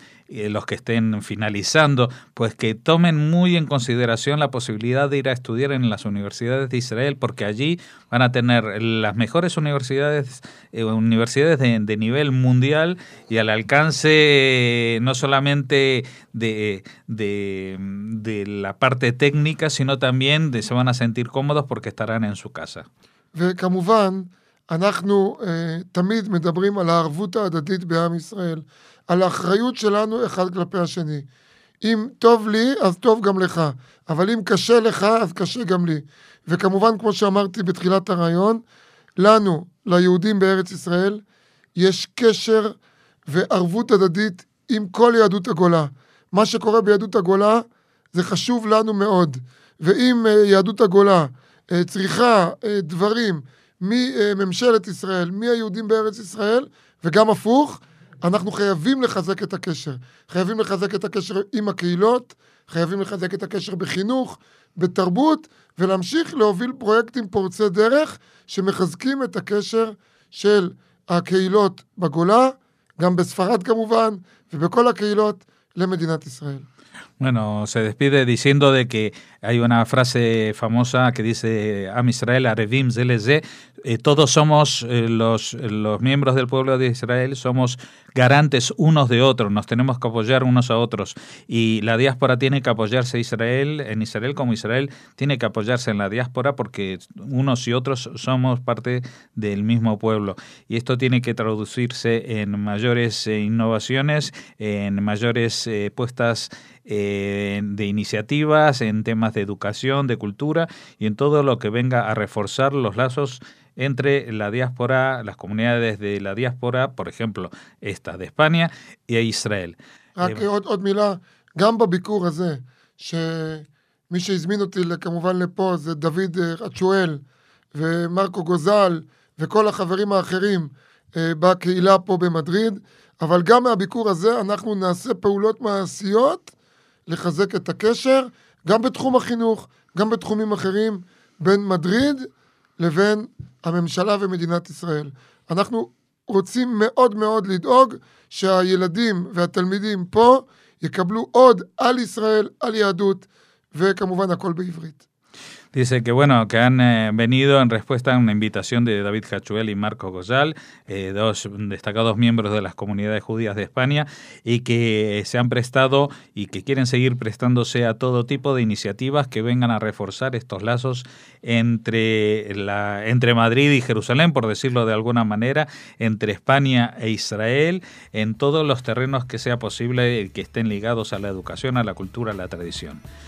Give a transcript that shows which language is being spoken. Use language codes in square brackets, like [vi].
[es] los que estén finalizando, pues que tomen muy en consideración la posibilidad de ir a estudiar en las universidades de Israel, porque allí van a tener las mejores universidades de nivel mundial y al alcance no solamente de la parte técnica, sino también de se van a sentir cómodos porque estarán en su casa. [he] וכמובן, אנחנו תמיד מדברים על הערבות ההדדית בעם ישראל, על האחריות שלנו אחד כלפי השני. אם טוב לי, אז טוב גם לך. אבל אם קשה לך, אז קשה גם לי. וכמובן, כמו שאמרתי בתחילת הרעיון, לנו, ליהודים בארץ ישראל, יש קשר וערבות הדדית עם כל יהדות הגולה. מה שקורה ביהדות הגולה, זה חשוב לנו מאוד. ואם יהדות הגולה צריכה דברים מממשלת ישראל, מהיהודים בארץ ישראל, וגם הפוך, אנחנו חייבים לחזק את הקשר. חייבים לחזק את הקשר עם הקהילות, חייבים לחזק את הקשר בחינוך, בתרבות, ולהמשיך להוביל פרויקטים פורצי דרך שמחזקים את הקשר של הקהילות בגולה, גם בספרד כמובן, ובכל הקהילות למדינת ישראל. [es] Bueno, se despide diciendo de que hay una frase famosa que dice [he] Am Israel, Arevim, Zeleze, [es] todos somos los miembros del pueblo de Israel, somos garantes unos de otros, nos tenemos que apoyar unos a otros y la diáspora tiene que apoyarse en Israel como Israel tiene que apoyarse en la diáspora porque unos y otros somos parte del mismo pueblo y esto tiene que traducirse en mayores innovaciones, en mayores puestas de iniciativas en temas de educación, de cultura y en todo lo que venga a reforzar los lazos entre la diáspora, las comunidades de la diáspora, por ejemplo, esta de España y Israel. [he] עוד מילה, גם בביקור הזה, שמי שהזמין אותי כמובן לפה זה דוד רצ'ואל ומרקו גוזל וכל החברים האחרים בקהילה פה במדריד, אבל גם מהביקור הזה אנחנו נעשה פעולות מעשיות לחזק את הקשר, גם בתחום החינוך, גם בתחומים אחרים, בין מדריד לבין הממשלה ומדינת ישראל. אנחנו רוצים מאוד מאוד לדאוג שהילדים והתלמידים פה יקבלו עוד על ישראל, על יהדות, וכמובן הכל בעברית. [es] Dice que bueno, que han venido en respuesta a una invitación de David Hachuel y Marco Goyal, dos destacados miembros de las comunidades judías de España, y que se han prestado y que quieren seguir prestándose a todo tipo de iniciativas que vengan a reforzar estos lazos entre Madrid y Jerusalén, por decirlo de alguna manera, entre España e Israel, en todos los terrenos que sea posible y que estén ligados a la educación, a la cultura, a la tradición.